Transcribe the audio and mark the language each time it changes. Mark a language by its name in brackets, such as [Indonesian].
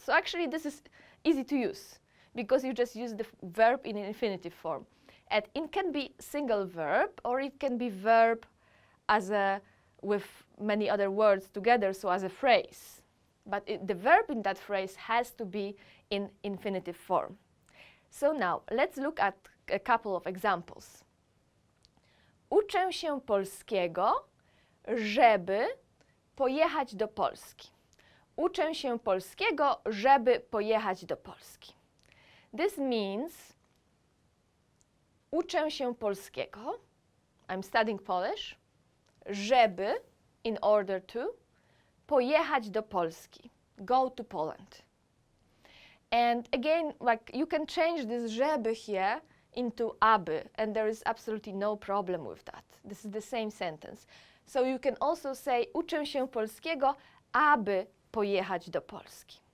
[English] So actually, this is easy to use because you just use the verb in infinitive form. And it can be single verb or it can be verb as a with many other words together, so as a phrase. But the verb in that phrase has to be in infinitive form. So now, let's look at a couple of examples. [Polish] Uczę się polskiego, żeby pojechać do Polski. Uczę się polskiego, żeby pojechać do Polski. [English] This means [Polish] uczę się polskiego, [English] I'm studying Polish, żeby, in order to, [Polish] pojechać do Polski, [English] go to Poland. And again, like you can change this żeby here into aby, and there is absolutely no problem with that. This is the same sentence. So you can also say [Polish] uczę się polskiego, aby pojechać do Polski.